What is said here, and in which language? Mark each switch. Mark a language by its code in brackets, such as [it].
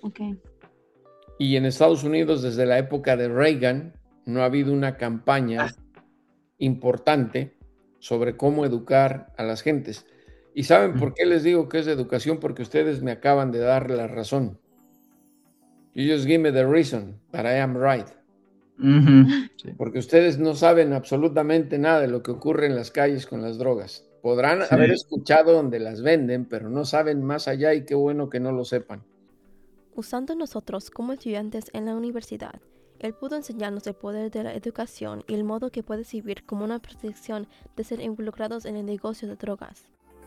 [es] Okay. Y en Estados Unidos, desde la época de Reagan, no ha habido una campaña importante sobre cómo educar a las gentes. ¿Y saben por qué les digo que es de educación? Porque ustedes me acaban de dar la razón. [en] You just give me the reason that I am right. [es] Porque ustedes no saben absolutamente nada de lo que ocurre en las calles con las drogas. Podrán haber escuchado donde las venden, pero no saben más allá, y qué bueno que no lo sepan. Usando nosotros como estudiantes en la universidad, él pudo enseñarnos el poder de la educación y el modo que puede servir como una protección de ser involucrados en el negocio de drogas.